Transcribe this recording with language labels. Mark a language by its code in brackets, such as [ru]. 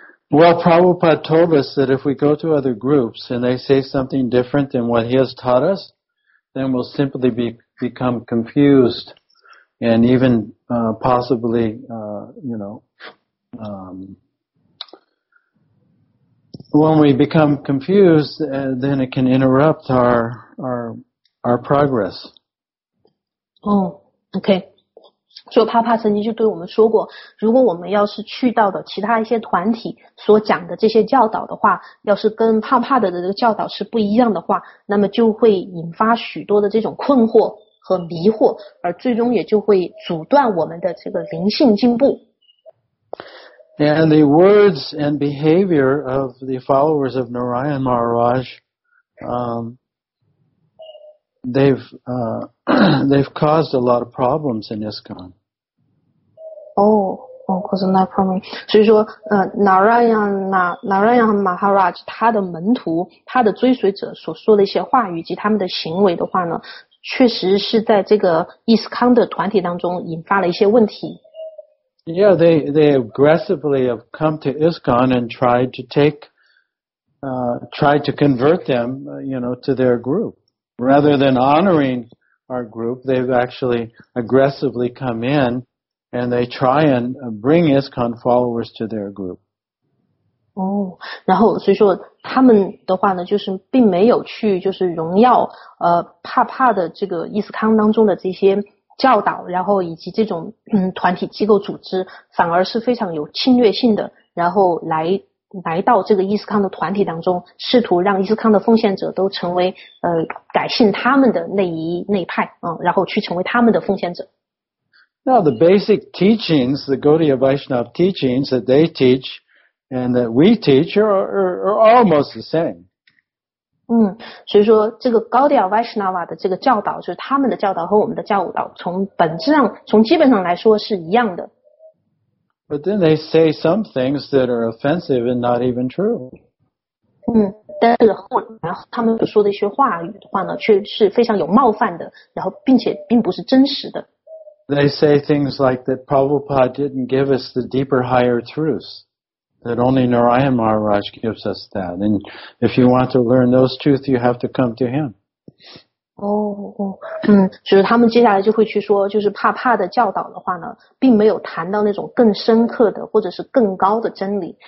[en] Well, Prabhupada told us that if we go to other groups and they say something different than what he has taught us, then we'll simply become confused and even possibly, when we become confused, then it can interrupt our progress. Oh, okay. [zh] 所以帕帕曾经就对我们说过，如果我们要是去到的其他一些团体所讲的这些教导的话，要是跟帕帕的这个教导是不一样的话，那么就会引发许多的这种困惑和迷惑，而最终也就会阻断我们的这个灵性进步。 [en] And the words and behavior of the followers of Narayan Maharaj, they've caused a lot of problems in ISKCON. Caused a lot of problems. [zh] 所以说，Narayan Maharaj 他的门徒、他的追随者所说的一些话语及他们的行为的话呢，确实是在这个 ISKCON 的团体当中引发了一些问题。 [en] Yeah, they aggressively have come to ISKCON and tried to tried to convert them, you know, to their group. Rather than honoring our group, they've actually aggressively come in and they try and bring ISKCON followers to their group. [zh] Oh, 然后所以说他们的话呢，就是并没有去就是荣耀怕的这个 ISKCON 当中的这些教导，然后以及这种团体机构组织，反而是非常有侵略性的，然后来到这个伊斯康的团体当中，试图让伊斯康的奉献者都成为改信他们的那一派啊、嗯，然后去成为他们的奉献者。 [en] Now the basic teachings, the Gaudiya Vaishnav teachings that they teach and that we teach are almost the same. [zh] 所以说这个 Gaudiya Vaishnava 的这个教导，就是他们的教导和我们的教导，从基本上来说是一样的。 [en] But then they say some things that are offensive and not even true. [zh] 但是然后他们说的一些话语的话呢，却是非常有冒犯的，然后并且并不是真实的。 [en] They say things like that Prabhupada didn't give us the deeper, higher truths. That only Narayan Maharaj gives us that. And if you want to learn those truths, you have to come to him. [zh] Oh, 就是他们接下来就会去说，就是怕怕的教导的话呢，并没有谈到那种更深刻的或者是更高的真理。